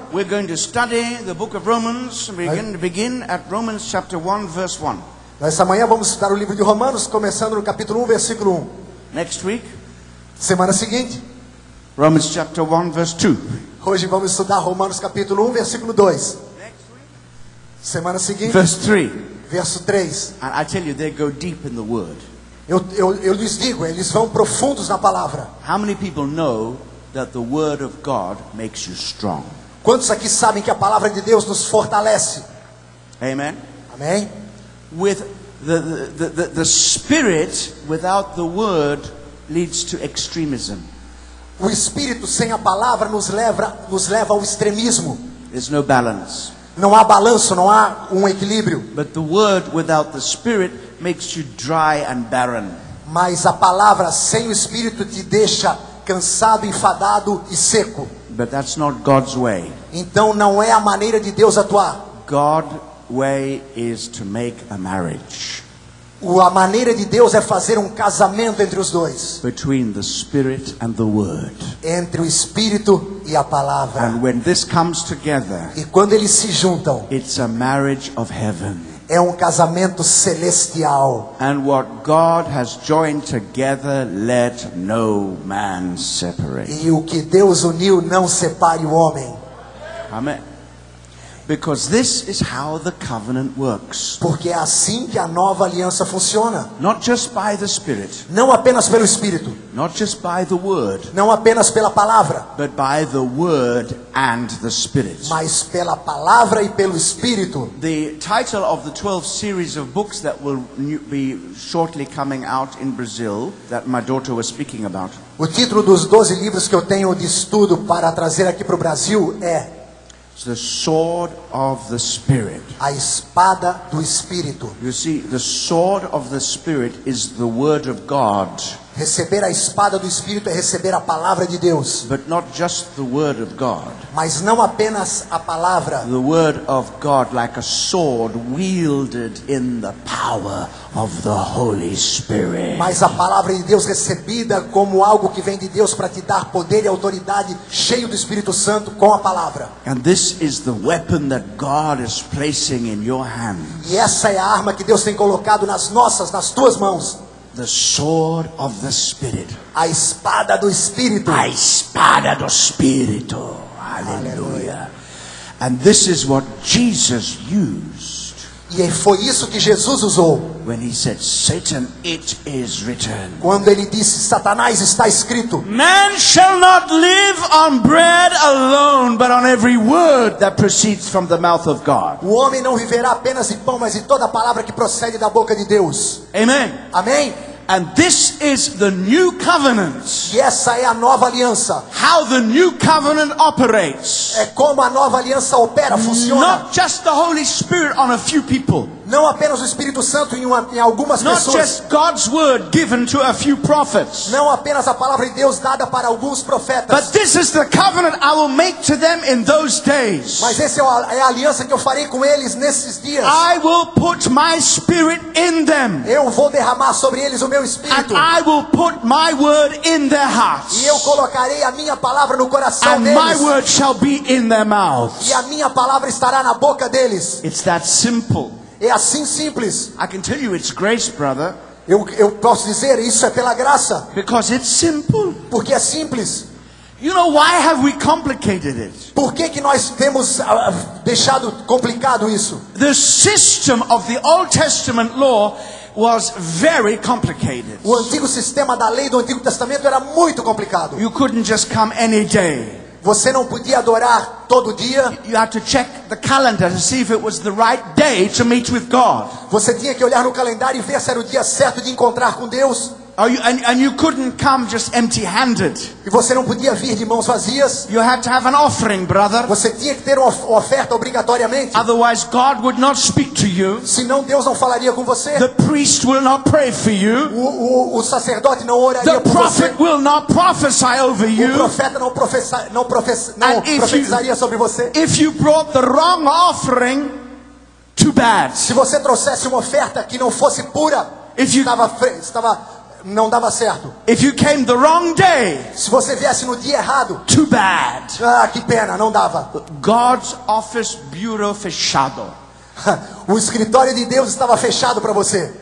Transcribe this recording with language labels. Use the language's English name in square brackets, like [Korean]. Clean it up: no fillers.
[English] we're going to study the book of Romans. We're going to begin at Romans chapter 1, verse 1. [Portuguese] Nesta manhã vamos estudar o livro de Romanos, começando no capítulo 1, versículo 1. [English] Next week, [Portuguese] semana seguinte, [English] Romans chapter 1, verse 2. [Portuguese] Hoje vamos estudar Romanos capítulo 1, versículo 2. Semana seguinte, [English] verse 3. [Portuguese] Verso 3. [English] And I tell you, they go deep in the word. [Portuguese] Eu lhes digo, eles vão profundos na palavra. [English] How many people know that the word of God makes you strong? [Portuguese] Quantos aqui sabem que a palavra de Deus nos fortalece? [English] Amen. [Portuguese] Amém. [English] With the spirit without the word leads to extremism. [Portuguese] O espírito sem a palavra nos leva ao extremismo. [English] There's no balance. [Portuguese] Não há balanço, não há equilíbrio. [English] But the word without the spirit makes you dry and barren. [Portuguese] Mas a palavra sem o espírito te deixa cansado, enfadado e seco. [English] But that's not God's way. [Portuguese] Então não é a maneira de Deus atuar. [English] God's way is to make a marriage. [Portuguese] A maneira de Deus é fazer casamento entre os dois. [English] Between the spirit and the word. [Portuguese] Entre o espírito e a palavra. [English] And when this comes together. [Portuguese] E quando eles se juntam. [English] It's a marriage of heaven. [Portuguese] É casamento celestial. [English] And what God has joined together, let no man separate. [Portuguese] E o que Deus uniu, não separe o homem. [English] Amém. Because this is how the covenant works. [Portuguese] Porque é assim que a nova aliança funciona. [English] Not just by the Spirit. [Portuguese] Não apenas pelo Espírito. [English] Not just by the Word. [Portuguese] Não apenas pela palavra. [English] But by the Word and the Spirit. [Portuguese] Mas pela palavra e pelo Espírito. [English] The title of the 12 series of books that will be shortly coming out in Brazil that my daughter was speaking about. [Portuguese] O título dos 12 livros que eu tenho de estudo para trazer aqui para o Brasil é [English] The sword of the Spirit. [Portuguese] A espada do Espírito. [English] You see, the sword of the Spirit is the word of God. [Portuguese] Receber a espada do Espírito é receber a palavra de Deus. [English] But not just the word of God. [Portuguese] Mas não apenas a palavra. [English] The word of God, like a sword wielded in the power of the Holy Spirit. [Portuguese] Mas a palavra de Deus recebida como algo que vem de Deus para te dar poder e autoridade, cheio do Espírito Santo com a palavra. [English] And this is the weapon that God is placing in your hands. [Portuguese] E essa é a arma que Deus tem colocado nas nossas, nas tuas mãos. [English] The sword of the Spirit. [Portuguese] A espada do Espírito. A espada do Espírito. Aleluia. [English] And this is what Jesus used. [Portuguese] E foi isso que Jesus usou. [English] When he said, "Satan, it is written." [Portuguese] Quando ele disse, Satanás, está escrito. [English] Man shall not live on bread alone, but on every word that proceeds from the mouth of God. [Portuguese] O homem não viverá apenas de pão, mas de toda a palavra que procede da boca de Deus. [English] Amen. [Portuguese] Amém. [English] And this is the new covenant. [Portuguese] E essa é a nova aliança. [English] How the new covenant operates. [Portuguese] É como a nova aliança opera, funciona. [English] Not just the Holy Spirit on a few people. [Portuguese] Não apenas o Espírito Santo em algumas [English] Not [Portuguese] pessoas. [English] Not just God's word given to a few prophets. [Portuguese] Não apenas a palavra de Deus dada para alguns profetas. [English] But this is the covenant I will make to them in those days. [Portuguese] Mas essa é a aliança que eu farei com eles nesses dias. [English] I will put my Spirit in them. [Portuguese] Eu vou derramar sobre eles o meu Espírito. [English] And I will put my word in their hearts. [Portuguese] E eu colocarei a minha palavra no coração [English] And [Portuguese] deles. [English] My word shall be in their mouths. [Portuguese] E a minha palavra estará na boca deles. [English] It's that simple. [Portuguese] É assim simples. [English] I can tell you it's grace, brother. [Portuguese] Eu posso dizer isso é pela graça. [English] Because it's simple. [Portuguese] Porque é simples. [English] You know why have we complicated it? [Portuguese] Por que que nós temos deixado complicado isso? [English] The system of the Old Testament law was very complicated. [Portuguese] O antigo sistema da lei do Antigo Testamento era muito complicado. [English] You couldn't just come any day. [Portuguese] Você não podia adorar todo dia. [English] You had to check the calendar to see if it was the right day to meet with God. [Portuguese] Você tinha que olhar no calendário e ver se era o dia certo de encontrar com Deus. [English] And you couldn't come just empty-handed. [Portuguese] E você não podia vir de mãos vazias. [English] You had to have an offering, brother. [Portuguese] Você tinha que ter uma oferta obrigatoriamente. [English] Otherwise, God would not speak to you. [Portuguese] Senão Deus não falaria com você. [English] The priest will not pray for you. [Portuguese] O sacerdote não oraria por você. [English] The prophet will not prophesy over you. [Portuguese] O profeta não profetizaria sobre você. [English] If you brought the wrong offering, too bad. [Portuguese] Se você trouxesse uma oferta que não fosse pura, estava não dava certo. [English] If you came the wrong day, [Portuguese] se você viesse no dia errado, [English] too bad. [Portuguese] Ah, que pena, não dava. [English] God's office bureau [Portuguese] fechado. O escritório de Deus estava fechado para você.